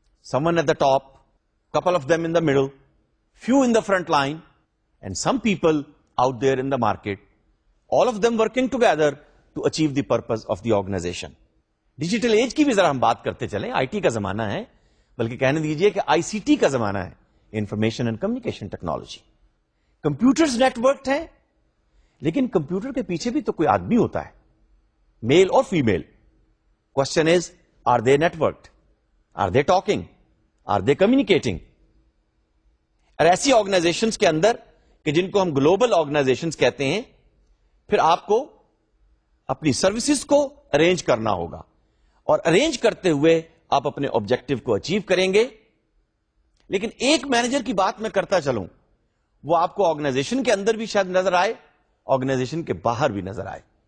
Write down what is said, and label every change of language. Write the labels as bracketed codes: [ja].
[en] Someone at the top, couple of them in the middle, few in the front line, and some people out there in the market, all of them working together to achieve the purpose of the organization. [ur] Digital age کی بھی ذرا ہم بات کرتے چلیں, I T کا زمانہ ہے, بلکہ کہنے دیجئے کہ آئی سی ٹی کا زمانہ ہے, information and communication technology. Computers net worked ہیں, لیکن کمپیوٹر کے پیچھے بھی تو کوئی آدمی ہوتا ہے, میل اور female. [en] Question is are they networked, are they talking, are they communicating. [ur] اور ایسی آرگنائزیشنز کے اندر کہ جن کو ہم گلوبل آرگنائزیشنز کہتے ہیں, پھر آپ کو اپنی سروسز کو ارینج کرنا ہوگا, اور ارینج کرتے ہوئے آپ اپنے آبجیکٹو کو اچیو کریں گے. لیکن ایک مینیجر کی بات میں کرتا چلوں, وہ آپ کو آرگنائزیشن کے اندر بھی شاید نظر آئے, آرگنائزیشن کے باہر بھی نظر آئے.